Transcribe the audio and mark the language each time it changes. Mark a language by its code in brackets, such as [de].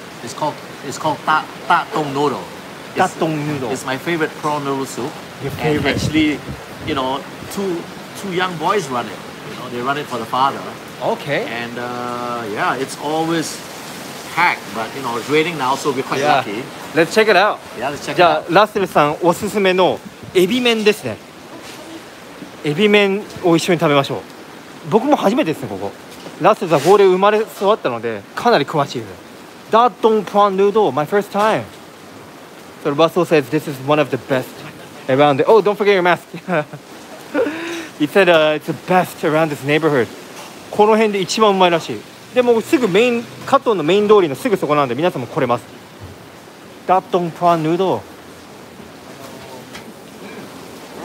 [en] It's called Ta Tong Noodle. Ta Tong Noodle. It's my favorite prawn noodle soup. Your favorite. And actually, you know, two young boys run it. They run it for the father. Okay. And yeah, it's always packed, but you know, it's raining now, so we're quite lucky. Let's check it out. Yeah, let's check it out. [ja] じゃあ、ラッセルさんおすすめのエビ麺ですね。エビ麺を一緒に食べましょう。僕も初めてですね、ここ。ラッセルさん、ここで生まれ育ったので、かなり詳しいです。 [en] ダートンプランヌードル、my first time. So Russel says this is one of the best around it. Oh, don't forget your mask. He said it's the best around this neighborhood. [ja] この辺で一番うまいらしい。でもすぐメイン、カトンのメイン通りのすぐそこなんで皆さんも来れます。ダトンプランヌードル。